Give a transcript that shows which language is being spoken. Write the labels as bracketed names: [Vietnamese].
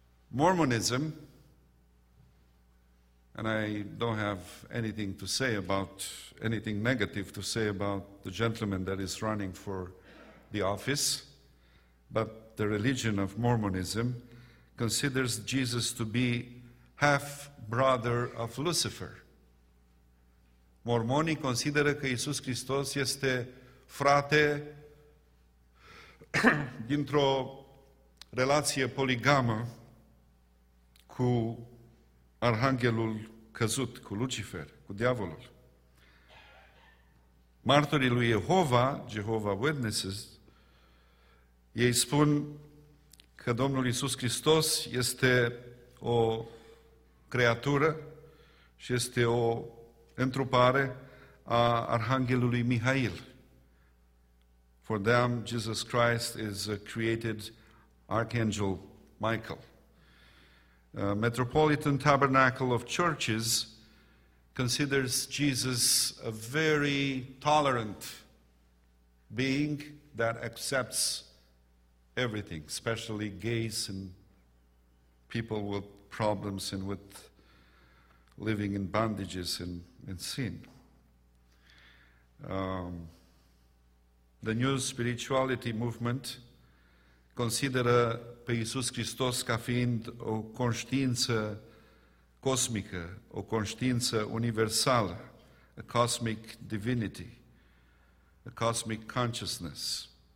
[English] Mormonism, and I don't have anything to say about, anything negative to say about the gentleman that is running for the office, but the religion of Mormonism considers Jesus to be half-brother of Lucifer. [Romanian] Mormonii consideră că Iisus Hristos este frate dintr-o relație poligamă cu arhanghelul căzut, cu Lucifer, cu diavolul. Martorii lui Jehova, [English] Jehovah Witnesses, [Romanian] ei spun că Domnul Iisus Hristos este o creatură și este o întrupare a arhanghelului Mihail. [English] For them, Jesus Christ is a created archangel Michael. Metropolitan Tabernacle of Churches considers Jesus a very tolerant being that accepts everything, especially gays and people with problems and with living in bondages and sin. [Romanian] The New Spirituality Movement consideră pe Iisus Hristos ca fiind o conștiință cosmică, o conștiință universală, [English] a cosmic divinity, a cosmic consciousness.